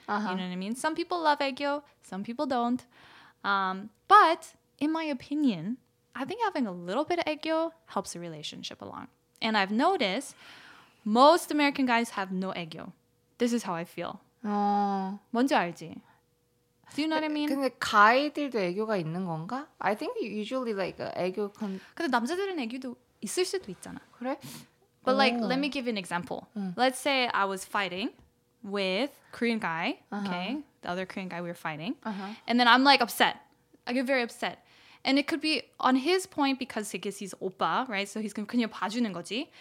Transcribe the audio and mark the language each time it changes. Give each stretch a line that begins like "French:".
English: Uh-huh. You know what I mean? Some people love aegyo. Some people don't. But in my opinion, I think having a little bit of aegyo helps a relationship along. And I've noticed most American guys have no aegyo. This is how I feel.
Korean: 뭔지 알지?
English: Do you know what I mean?
Korean: 근데 가이들도 애교가 있는 건가?
English: I think usually like 애교 con
Korean: 근데 남자들은 애교도 있을 수도 있잖아. 그래?
English: But like, let me give you an example. Let's say I was fighting with Korean guy, okay? The other Korean guy we were fighting. And then I'm like upset. I get very upset. And it could be on his point because he gets his 오빠, right? So he's
Korean: 그냥 봐주는 거지.